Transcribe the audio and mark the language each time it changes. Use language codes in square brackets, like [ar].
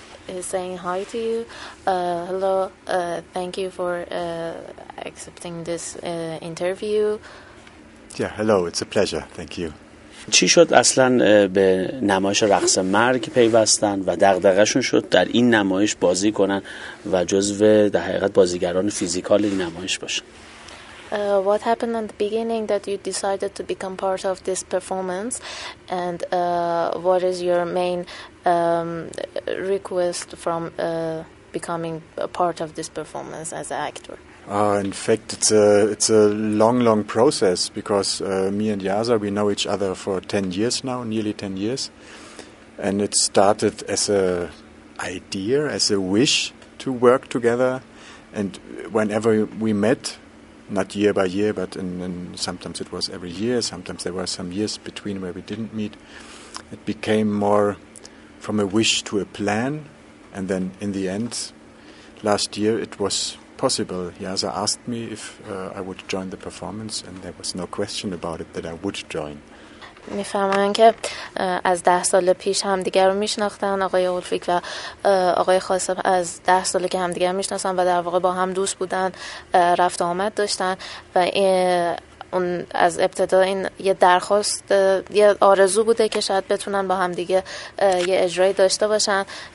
[en] Saying hi to you. Hello. Thank you for accepting this interview. Yeah, hello. It's a pleasure. Thank you. [fa] چی شد اصلاً به نمایش رقص مرگ پیوستن و دغدغه‌شون شد در این نمایش بازی کنن و جزو در حقیقت بازیگران فیزیکال این نمایش باشن؟ [en] What happened in the beginning that you decided to become part of this performance, and what is your main request from becoming a part of this performance as an actor? In fact, it's a long, long process because me and Yaza, we know each other for 10 years now, nearly 10 years, and it started as a idea, as a wish to work together, and whenever we met, not year by year, but in sometimes it was every year, sometimes there were some years between where we didn't meet. It became more from a wish to a plan, and then in the end, last year it was possible. Yaza asked me if I would join the performance, and there was no question about it that I would join. [fa] میفهمن که از 10 سال پیش هم دیگر رو میشناختن آقای اولفیک و آقای خاصف از 10 سال که هم دیگر میشناسن و در واقع با هم دوست بودن، رفت آمد داشتن و اون از ابتدا این یه درخواست، یه آرزو بوده که شاید بتونن با هم دیگه یه اجرایی داشته باشن.